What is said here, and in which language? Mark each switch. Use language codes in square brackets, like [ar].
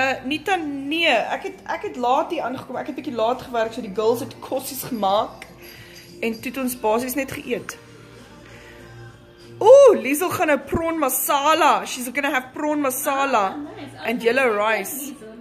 [af] Nita, nee, ek het laat hier aangekom. Ek het 'n bietjie laat gewerk, so die girls het kossies gemaak en toe het ons basies net geëet. Ooh, Liesel gaan nou prawn masala. [en] She's going to have prawn masala and yellow rice.